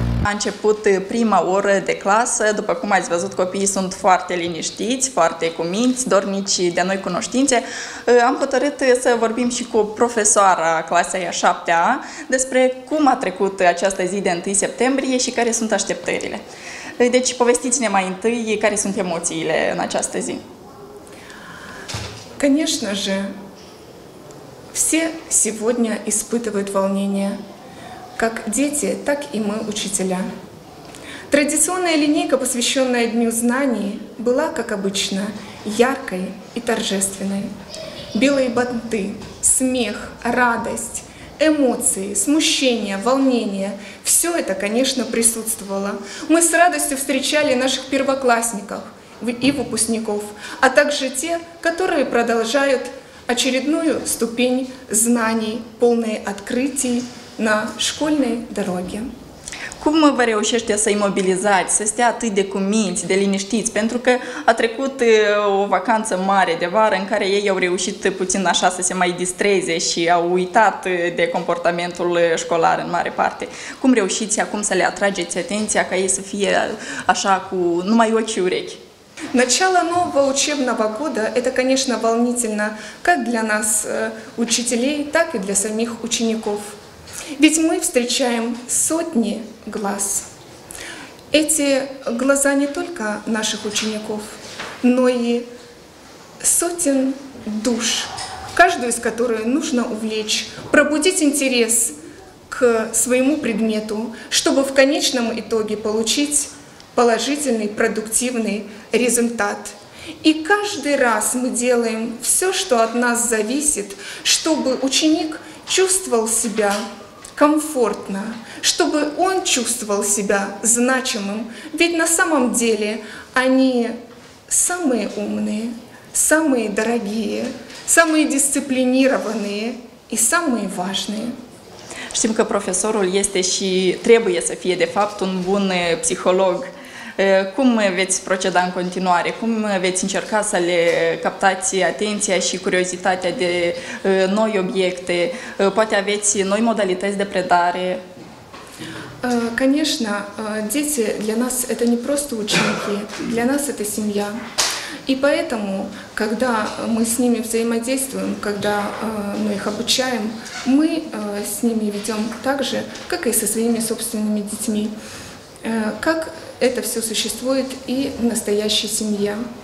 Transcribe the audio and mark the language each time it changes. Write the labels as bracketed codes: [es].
[ro] Început prima oră de clasă, după cum ați văzut, copiii sunt foarte liniștiți, foarte cuminți, dornici de noi cunoștințe. Am hotărât să vorbim și cu profesoara clasei a 7-a despre cum a trecut această zi de 1 septembrie și care sunt așteptările. Deci, povestiți-ne mai întâi care sunt emoțiile în această zi. [ru] Конечно же, все сегодня испытывают волнение. Как дети, так и мы, учителя. Традиционная линейка, посвященная Дню Знаний, была, как обычно, яркой и торжественной. Белые банты, смех, радость, эмоции, смущение, волнение – все это, конечно, присутствовало. Мы с радостью встречали наших первоклассников и выпускников, а также те, которые продолжают очередную ступень знаний, полные открытий, на школьной дороге. [ro] Cum vă reușește să-i mobilizați, să stea atât de cuminți, de liniștiți? Pentru că a trecut o vacanță mare de vară în care ei au reușit puțin așa să se mai distreze și au uitat de comportamentul școlar în mare parte. Cum reușiți acum să le atrageți atenția ca ei să fie așa cu numai ochi și urechi? [ru] Начало нового учебного года – это, конечно, волнительно как для нас, учителей, так и для самих учеников. Ведь мы встречаем сотни глаз. Эти глаза не только наших учеников, но и сотен душ, каждую из которых нужно увлечь, пробудить интерес к своему предмету, чтобы в конечном итоге получить положительный, продуктивный результат. И каждый раз мы делаем все, что от нас зависит, чтобы ученик чувствовал себя комфортно, чтобы он чувствовал себя значимым. Ведь на самом деле они самые умные, самые дорогие, самые дисциплинированные и самые важные. [ro] Știm că profesorul este și trebuie să fie, de fapt, un bun psiholog. Cum veți proceda în continuare? Cum veți încerca să le captați atenția și curiozitatea de noi obiecte? Poate aveți noi modalități de predare? [ru] Конечно, дети для нас это не просто ученики, для нас это семья. И поэтому, когда мы с ними взаимодействуем, когда мы их обучаем, мы с ними ведем так же, как и со своими собственными детьми, как это все существует и в настоящей семье.